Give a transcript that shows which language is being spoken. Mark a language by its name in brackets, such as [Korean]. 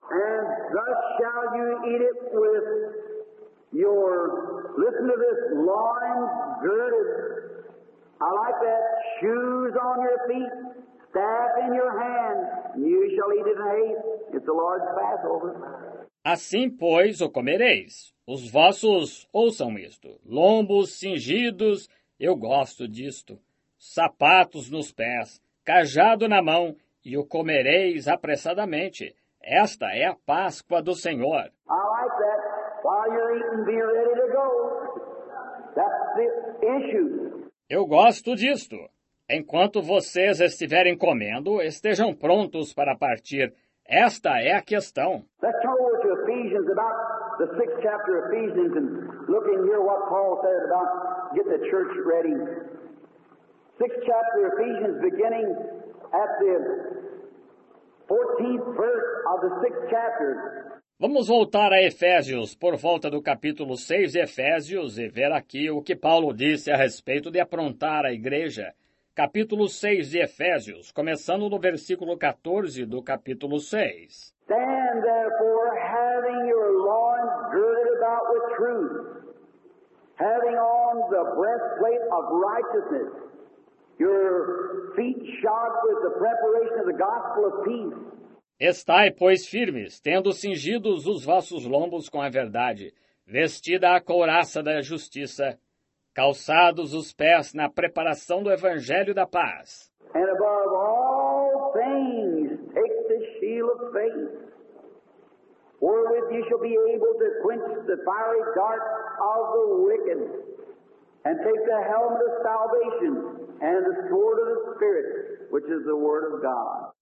[English] And thus shall you eat it with your, listen to this, loins girded. I like that, shoes on your feet, staff in your hand, and you shall eat it in haste. It's the Lord's Passover. [Portuguese] Assim, pois, o comereis. Os vossos, ouçam isto, lombos cingidos, eu gosto disto, sapatos nos pés, cajado na mão, e o comereis apressadamente. Esta é a Páscoa do Senhor. [English] I like that. While you're eating, be ready to go. That's the issue. [Portuguese] Eu gosto disto. Enquanto vocês estiverem comendo, estejam prontos para partir. Esta é a questão. [English] Let's turn over to Ephesians, about the sixth chapter of Ephesians, and look in here what Paul said about get the church ready. Sixth chapter of Ephesians, beginning at the 14th verse of the sixth chapter. [Portuguese] Vamos voltar a Efésios, por volta do capítulo 6 de Efésios, e ver aqui o que Paulo disse a respeito de aprontar a igreja. Capítulo 6 de Efésios, começando no versículo 14 do capítulo 6. [English] Stand therefore, having your loins girded about with truth, having on the breastplate of righteousness, your feet shod with the preparation of the gospel of peace. [Portuguese] Estai, pois, firmes, tendo cingidos os vossos lombos com a verdade, vestida a couraça da justiça, calçados os pés na preparação do evangelho da paz. [English] And above all things, take the shield of faith, wherewith you shall be able to quench the fiery dart of the wicked, and take the helmet of salvation, and the sword of the Spirit, which is the word of God.